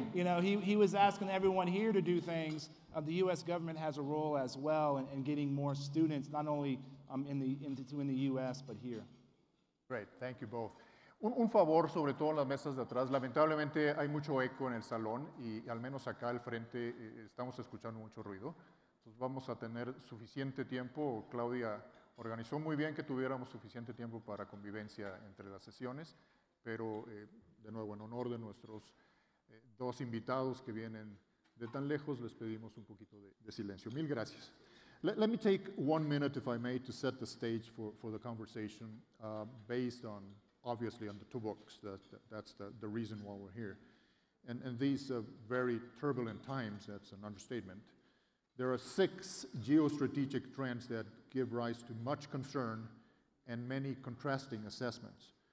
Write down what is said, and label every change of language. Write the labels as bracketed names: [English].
[English] You know, he was asking everyone here to do things. The U.S. government has a role as well in getting more students, not only in the U.S., but here. Great, thank you both. [Spanish] Un favor, sobre todo en las mesas de atrás. Lamentablemente hay mucho eco en el salón y al menos acá al frente estamos escuchando mucho ruido. Entonces vamos a tener suficiente tiempo. Claudia organizó muy bien que tuviéramos suficiente tiempo para convivencia entre las sesiones, pero de nuevo, en honor de nuestros dos invitados que vienen de tan lejos, les pedimos un poquito de silencio. Mil gracias. [English] Let me take 1 minute, if I may, to set the stage for the conversation based on, obviously, on the two books. That's the reason why we're here. And these very turbulent times, that's an understatement. There are six geostrategic trends that give rise to much concern and many contrasting assessments.